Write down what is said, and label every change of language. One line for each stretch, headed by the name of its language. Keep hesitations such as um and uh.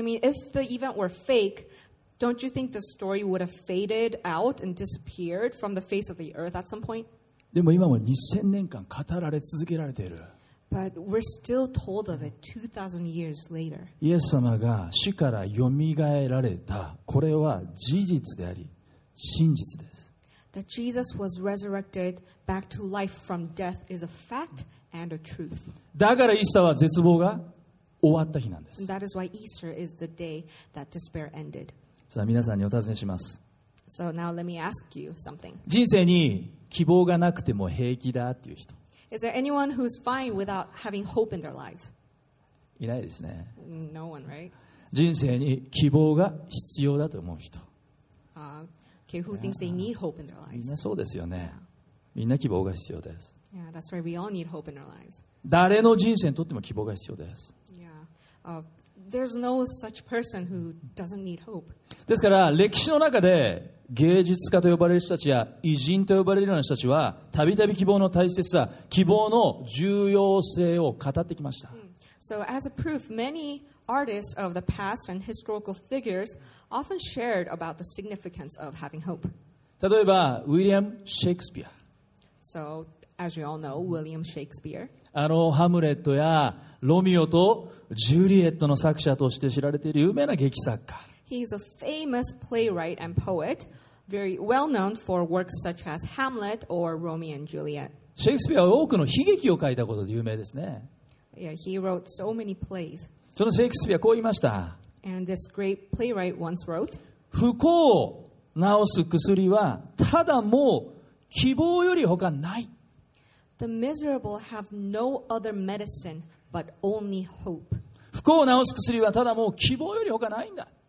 English: mean, if the event were fake, don't you think the story would have faded out and disappeared from the face of the earth at some point?
Japanese: でも今も2000年間語られ続けられている。
English: But we're still told of it 2,000 years later.
Japanese: イエス様が死からよみがえられた。これは事実であり、真実です。
English: That Jesus was resurrected back to life from death is a fact and a truth.
Japanese: だからイースターは絶望が終わった日なんです。
English: That is why Easter is the day that despair ended.
Japanese: さあ皆さんにお尋ねします。
English: So now let me ask you something.
Japanese: 人生に希望がなくても平気だっていう人。
English: Is there anyone who's fine without having hope in their lives?
Japanese: いないですね。
English: No one, right?
Japanese: 人生に希望が必要だと思う人。
English: Uh, okay, who thinks they need hope in their lives?
Japanese: みんなそうですよね。みんな希望が必要です。
English: Yeah, that's right. We all need hope in our lives.
Japanese: 誰の人生にとっても希望が必要です。
English: Yeah. Uh, there's no such person who doesn't need hope.
Japanese: ですから、歴史の中で、芸術家と呼ばれる人たちや偉人と呼ばれるような人たちはたびたび希望の大切さ希望の重要性を語ってきました。
English: So as a proof, many artists of the past and historical figures often shared about the significance of having hope.
Japanese: 例えば、ウィリアム・シェイクスピア。
English: So, as you all know, William Shakespeare.
Japanese: あの、ハムレットやロミオとジュリエットの作者として知られている有名な劇作家。
English: He's a famous playwright and poet, very well known for works such as Hamlet or Romeo and Juliet.
Japanese: シェイクスピアは多くの悲劇を書いたことで有名ですね。
English: Yeah, he wrote so、many plays.
Japanese: そのシェイクスピアはこう言いました。
English: And this great playwright once wrote,
Japanese: 不幸を治す薬はただもう希望より他ない。
English: The miserable have no、other medicine but only hope.
Japanese: 不幸を治す薬はただもう希望より他ないんだ。